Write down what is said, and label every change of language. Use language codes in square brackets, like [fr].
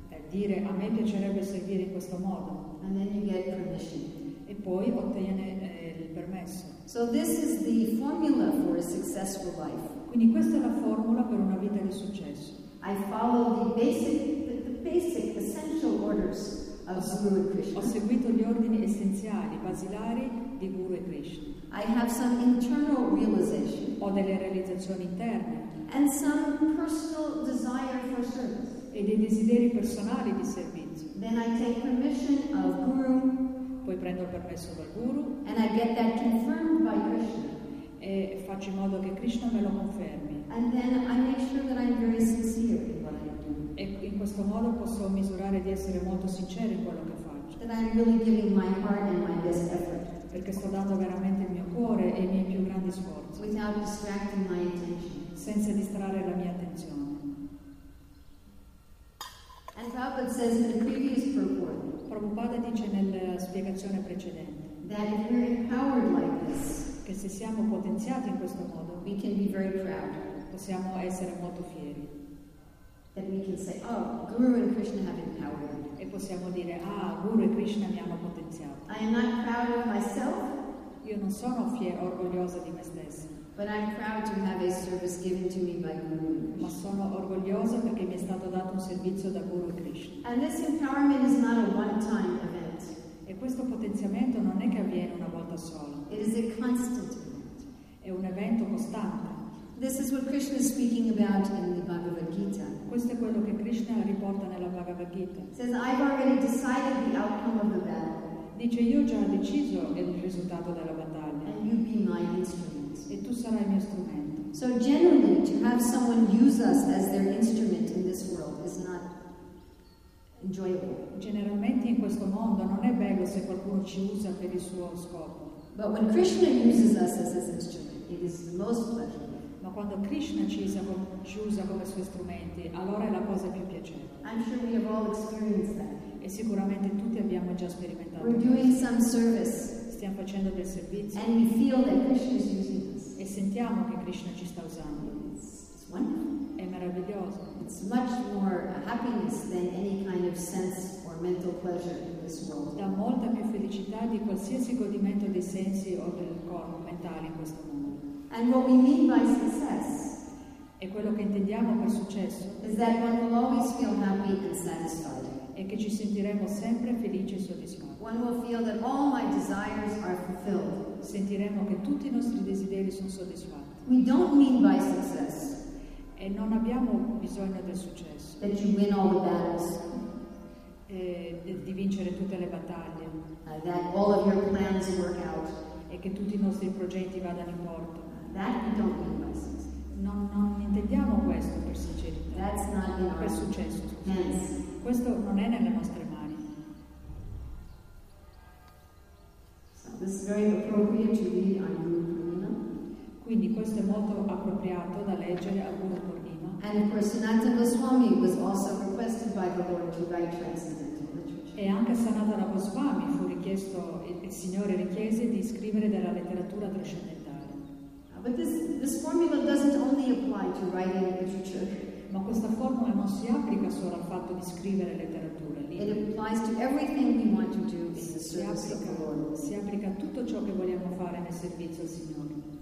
[it] Dire, a me piacerebbe servire in questo modo. [en] And then you get permission. [it] E poi ottiene il permesso. [en] So this is the formula for a successful life. [it] Quindi questa è la formula per una vita di successo. [en] I follow the basic essential orders of Guru and Krishna. [it] Ho seguito gli ordini essenziali, basilari di Guru e Krishna. [en] I have some internal realization. [it] Ho delle realizzazioni interne. [en] And some personal desire for service. [it] E dei desideri personali di servizio. [en] Then I take permission of Guru. [it] Poi prendo il permesso dal Guru. [en] And I get that confirmed by Krishna. [it] E faccio in modo che Krishna me lo confermi. [en] And then I make sure that I'm very sincere in what I do. [it] E in questo modo posso misurare di essere molto sincero in quello che faccio. [en] That I'm really giving my heart and my best effort. [it] Perché sto dando veramente il mio cuore e i miei più grandi sforzi. [en] Without distracting my attention. [it] Senza distrarre la mia attenzione. [en] And Prabhupada says in the previous purport. [it] Prabhupada dice nella spiegazione precedente. [en] That if we're empowered like this. [it] Che se siamo potenziati in questo modo. [en] We can be very proud. [it] Possiamo essere molto fieri. [en] That we can say, oh, Guru and Krishna have empowered me. [it] E possiamo dire, ah, Guru e Krishna mi hanno potenziato. [en] I am not proud of myself. [it] Io non sono fiero, orgogliosa di me stessa. [en] But I'm proud to have a service given to me by Guru. [it] Ma sono orgogliosa perché mi è stato dato un servizio da Guru Krishna. [en] And this empowerment is not a one-time event. [it] E questo potenziamento non è che avviene una volta sola. [en] It is a constant event. [it] È È un evento costante. [en] This is what Krishna is speaking about in the Bhagavad Gita. [it] Questo è quello che Krishna riporta nella Bhagavad Gita. [en] Says I've already decided the outcome of the battle. [it] Dice io già ho deciso il risultato della battaglia. [en] And you be my instrument. [it] E tu sarai il mio strumento. [en] So generally, to have someone use us as their instrument in this world is not enjoyable. [it] Generalmente in questo mondo non è bello se qualcuno ci usa per il suo scopo. [en] But when Krishna uses us as his instrument, it is the most pleasurable. [it] Ma quando Krishna ci usa come suoi strumenti, allora è la cosa più piacevole. [en] I'm sure we have all experienced that. [it] E sicuramente tutti abbiamo già sperimentato. [en] We're doing some service. [it] Stiamo facendo del servizio. [en] And we feel that Krishna is using us. [it] E sentiamo che Krishna ci sta usando. [en] It's wonderful. [it] È meraviglioso. [en] It's much more happiness than any kind of sense or mental pleasure in this world. [it] Dà molta più felicità di qualsiasi godimento dei sensi o del corpo mentale in questo mondo. [en] And what we mean by success. [it] E quello che intendiamo per successo. [en] Is that one will always feel happy and satisfied. [it] E che ci sentiremo sempre felici e soddisfatti. [en] One will feel that all my desires are fulfilled. [it] Sentiremo che tutti i nostri desideri sono soddisfatti. [en] We don't mean by success. [it] E non abbiamo bisogno del successo. [en] That you win all the battles. [it] E di vincere tutte le battaglie. [en] That all of your plans work out. [it] E che tutti i nostri progetti vadano in porto. [en] That we don't mean by success. [it] Non intendiamo questo per sincerità. [en] That's not in [it] per successo. [en] Yes. [it] Questo non è nelle nostre mani. [en] So this is very appropriate to read on Guru Purnima. [it] Quindi questo è molto appropriato da leggere a Guru Purnima. [en] And of course, Sanatana Goswami was also requested by the Lord to write transcendental literature. [it] E anche Sanatana Goswami fu richiesto, il Signore richiese di scrivere della letteratura trascendentale. [en] But this formula doesn't only apply to writing literature. [it] Ma questa formula non si applica solo al fatto di scrivere letteratura. [en] It applies to everything we want to do in the service of the Lord. [it] Si applica a tutto ciò che vogliamo fare nel servizio al Signore.